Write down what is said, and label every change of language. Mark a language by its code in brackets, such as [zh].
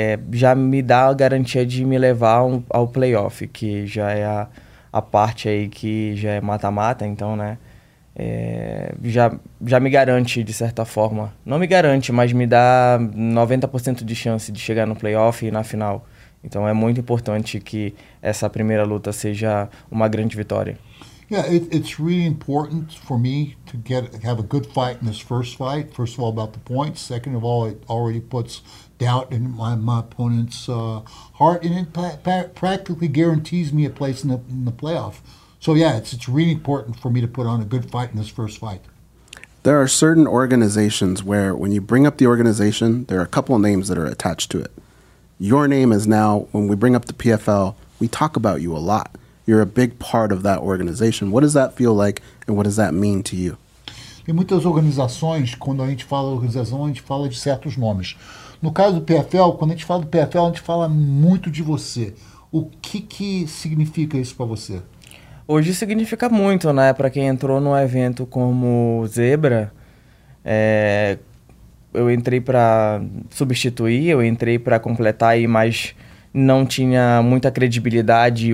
[pt] Já me dá a garantia de me levar ao playoff, que já é a parte aí que já é mata-mata, então, né, já me garante, de certa forma, não me garante, mas me dá 90% de chance de chegar no playoff e na final. Então é muito importante que essa primeira luta seja uma grande vitória. [en] Yeah, it's really important for me to have a good fight in this first fight. First of all, about the points. Second of all, it already puts doubt in my opponent's heart, and it practically guarantees me a place in the playoff. So yeah, it's really important for me to put on a good fight in this first fight. There are certain organizations where when you bring up the organization, there are a couple of names that are attached to it. Your name is now, when we bring up the PFL, we talk about you a lot. You're a big part of that organization. What does that feel like, and what does that mean to you? [pt] Tem muitas organizações, quando a gente fala de organização, a gente fala de certos nomes. No caso do PFL, quando a gente fala do PFL, a gente fala muito de você. O que significa isso para você? Hoje significa muito, né? Para quem entrou num evento como Zebra, eu entrei para substituir, eu entrei para completar, mas não tinha muita credibilidade.